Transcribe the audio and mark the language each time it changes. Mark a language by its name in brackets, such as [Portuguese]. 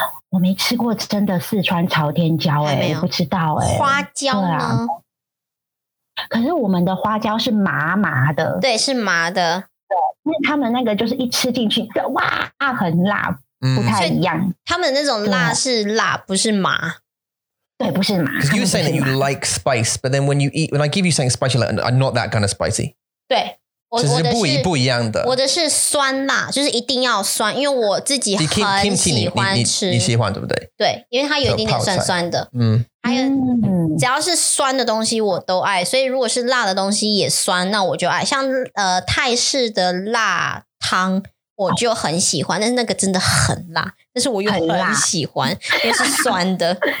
[Chinese] 我没吃过真的四川朝天椒，我不知道。花椒呢？可是我们的花椒是麻麻的。对，是麻的。对，那他们那个就是一吃进去，哇，很辣，不太一样。他们那种辣是辣，不是麻。 [English] Because you were saying that you like spice, but then when you eat, when I give you something spicy, like, I'm not that kind of spicy. [Chinese] 对，我是不一样的。我的是酸辣，就是一定要酸，因为我自己很喜欢吃。你喜欢对不对？对，因为它有一点点酸的。还有，只要是酸的东西我都爱，所以如果是辣的东西也酸，那我就爱。像泰式的辣汤。我就很喜欢，但是那个真的很辣，但是我又很喜欢，因为是酸的。